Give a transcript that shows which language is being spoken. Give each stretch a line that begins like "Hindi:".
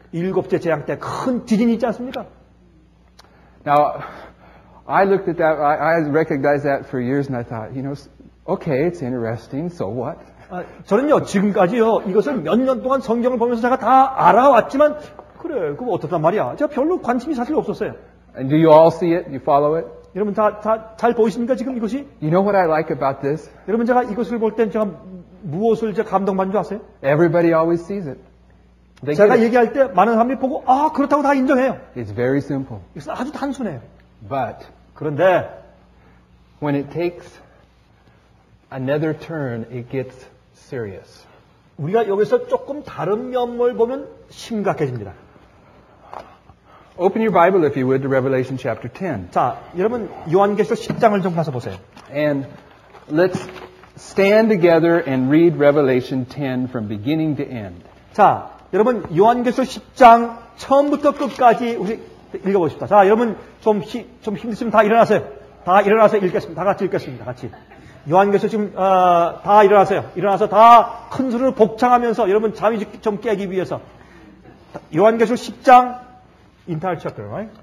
Korean: 일곱째 재앙 때 큰 지진이 있지 않습니까?
English: Now, I looked at that, I recognized that for years and I thought, you know, okay, it's interesting, so what?
Korean: 저는요, 지금까지요, 이것을 몇 년 동안 성경을 보면서 제가 다 알아왔지만, 그래, 그거 어떻단 말이야? 제가 별로 관심이 사실 없었어요.
English: And do you all see it? You follow it?
Korean: 여러분 다 잘 보이십니까, 지금 이것이?
English: You know what I like about this?
Korean: 여러분 제가 이것을 볼 땐 제가 무엇을 이제 감동받는 줄 아세요?
English: Everybody always sees it.
Korean: 제가 얘기할 때 많은 사람들이 보고 아 그렇다고 다 인정해요.
English: It's very simple.
Korean: 이것은 아주 단순해요.
English: But
Korean: 그런데
English: when it takes another turn, it gets serious.
Korean: 우리가 여기서 조금 다른 면을 보면 심각해집니다.
English: Open your Bible if you would to Revelation chapter 10.
Korean: 자, 여러분 요한계시록 10장을 좀 가서 보세요.
English: And let's stand together and read Revelation 10 from beginning to end.
Korean: 자, 여러분 요한계시록 10장 처음부터 끝까지 우리 읽어 보십시다. 자, 여러분 좀 힘드시면 다 일어나세요. 다 일어나서 읽겠습니다. 다 같이 읽겠습니다. 같이. 요한계시록 지금 다 일어나세요. 일어나서 다 큰 소리로 복창하면서 여러분 잠이 좀 깨기 위해서 요한계시록 10장
English: entire chapter, right?